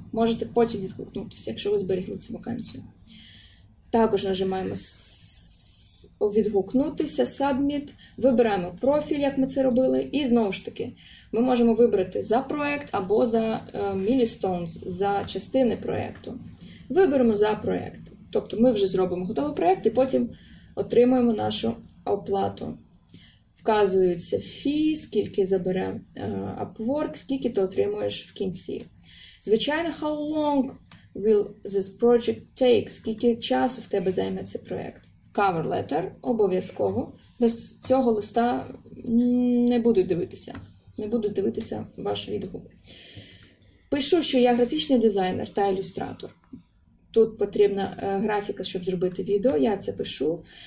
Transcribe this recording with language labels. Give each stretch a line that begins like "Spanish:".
Ukrainian: Можете потім відгукнутися, якщо ви зберегли цю вакансію. Також нажимаємо відгукнутися, Submit, вибираємо профіль, як ми це робили, і знову ж таки, ми можемо вибрати за проєкт або за Millstones, за частини проєкту. Виберемо за проєкт, тобто ми вже зробимо готовий проєкт і потім отримуємо нашу оплату. Вказується фі, скільки забере Upwork, скільки ти отримуєш в кінці. Звичайно,
English: how long will this project take?
Ukrainian: Скільки часу в тебе займе цей проєкт? Cover letter, обов'язково. Без цього листа не будуть дивитися. Не буду дивитися ваші відгуки. Пишу, що я графічний дизайнер та ілюстратор. Тут потрібна графіка, щоб зробити відео. Я це пишу.